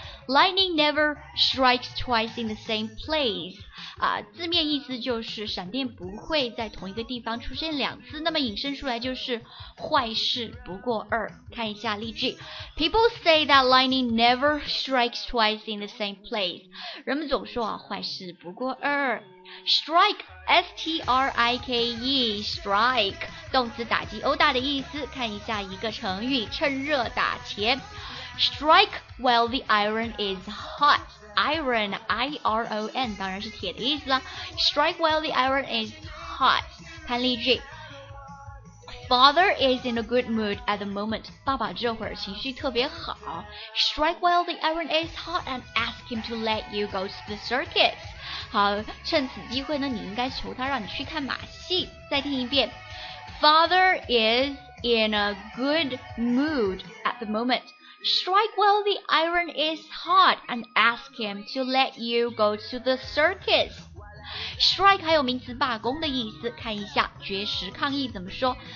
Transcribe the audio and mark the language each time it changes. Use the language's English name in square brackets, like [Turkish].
[English] Lightning never strikes twice in the same place. [Chinese] 字面意思就是闪电不会在同一个地方出现两次，那么引申出来就是坏事不过二。看一下例句。 [English] People say that lightning never strikes twice in the same place. [Chinese] 人们总说坏事不过二。 [English] Strike, S-T-R-I-K-E, strike, [Chinese] 动词打击殴打的意思。看一下一个成语，趁热打钱。 [English] Strike while the iron is hot. Iron, I-R-O-N, [Chinese] 当然是铁的意思啦。 [English] Strike while the iron is hot. [Chinese] 看例句。 [English] Father is in a good mood at the moment. [Chinese] 爸爸这会儿情绪特别好。 [English] Strike while the iron is hot and ask him to let you go to the circus. [Chinese] 好，趁此机会呢，你应该求他让你去看马戏。再听一遍。 [English] Father is in a good mood at the moment. Strike while the iron is hot and ask him to let you go to the circus. [Chinese] Strike 还有名词罢工的意思，看一下绝食抗议怎么说。